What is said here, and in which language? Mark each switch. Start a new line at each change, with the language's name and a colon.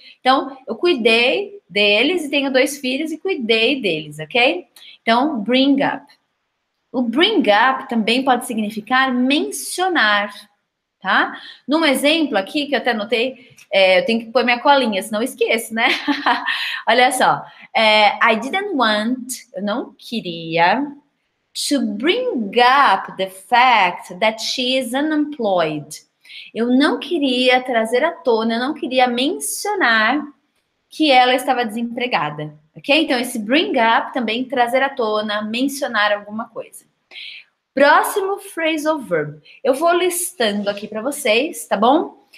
Portuguese: Então, eu cuidei deles e tenho dois filhos e cuidei deles, ok? Então, bring up. O bring up também pode significar mencionar, tá? Num exemplo aqui, que eu até anotei, eu tenho que pôr minha colinha, senão eu esqueço, né? Olha só.
English: I didn't want,
Portuguese: eu não queria,
English: to bring up the fact that she is unemployed.
Portuguese: Eu não queria trazer à tona, eu não queria mencionar que ela estava desempregada, ok? Então, esse bring up também trazer à tona, mencionar alguma coisa. Próximo phrasal verb. Eu vou listando aqui para vocês, tá bom?